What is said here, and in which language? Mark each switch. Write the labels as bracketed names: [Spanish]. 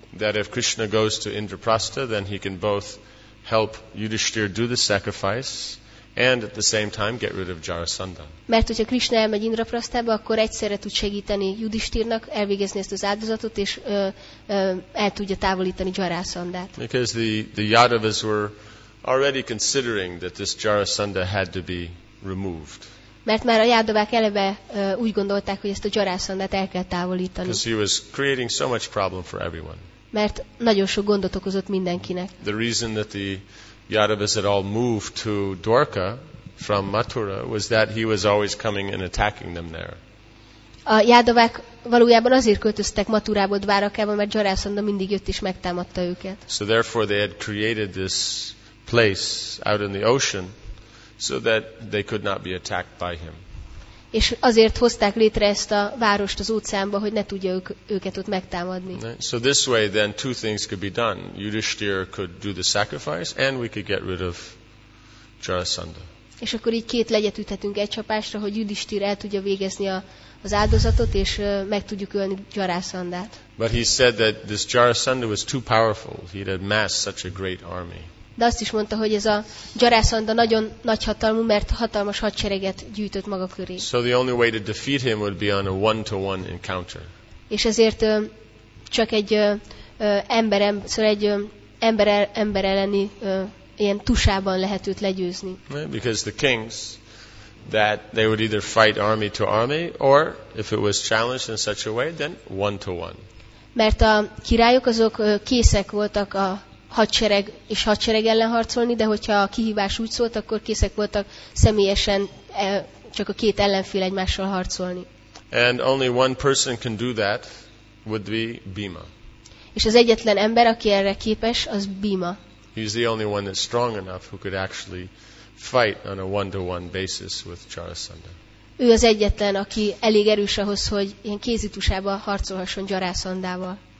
[English] That if Krishna goes to Indraprastha, then he can both help Yudhishthira do the sacrifice and at the same time get rid of Jarasandha. [Hungarian] Mert hogyha Krishna elmegy Indraprasthába, akkor egyszerre tud segíteni Yudhishthirnak elvégezni ezt az áldozatot és el tudja távolítani Jarasandhát. [English] Because the Yadavas were already considering that this Jarasandha had to be removed. [Hungarian] Mert már a Jádavák eleve úgy gondolták, hogy ezt a Jarasandhát el kell távolítani. [English] Because he was creating so much problem for everyone. [Hungarian] Mert nagyon sok gondot okozott mindenkinek. [English] The reason that the Yadavas had all moved to Dwarka from Mathura was that he was always coming and attacking them there. [Hungarian] A Jádavák valójában azért költöztek Mathurából Dwarakába, mert Jarasandha mindig jött és megtámadta őket. [English] So therefore they had created this place out in the ocean so that they could not be attacked by him. [Hungarian] És azért hozták létre ezt a várost az óceánba, hogy ne tudja őket ott megtámadni. [English] So this way then two things could be done. Yudhishthira could do the sacrifice and we could get rid of Jarasandha. [Hungarian] És akkor így két legyet üthetünk egy csapásra, hogy Yudhishthira el tudja végezni az áldozatot és meg tudjuk ölni Jarasandhát. [English] But he said that this Jarasandha was too powerful. He had amassed such a great army. [Hungarian] De azt is mondta, hogy ez a Jarasandha nagyon nagy hatalmú, mert hatalmas hadsereget gyűjtött maga köré. [English] So the only way to defeat him would be on a one-to-one encounter. [Hungarian] És ezért csak egy emberem, szóval egy ember elleni ilyen tusában lehet őt legyőzni. [English] Because the kings, that they would either fight army to army, or if it was challenged in such a way, then one-to-one. [Hungarian] Mert a királyok azok készek voltak a hadsereg és hadsereg ellen harcolni, de hogyha a kihívás úgy szólt, akkor készek voltak személyesen csak a két ellenfél egymással harcolni. [English] And only one person can do that would be Bhima. [Hungarian] És az egyetlen ember, aki erre képes, az Bhima. [English] He's the only one that's strong enough who could actually fight on a one-to-one basis with Jarasandha. [Hungarian] Ő az egyetlen, aki elég erős ahhoz, hogy ilyen kézitusába harcolhasson Jarasandhával.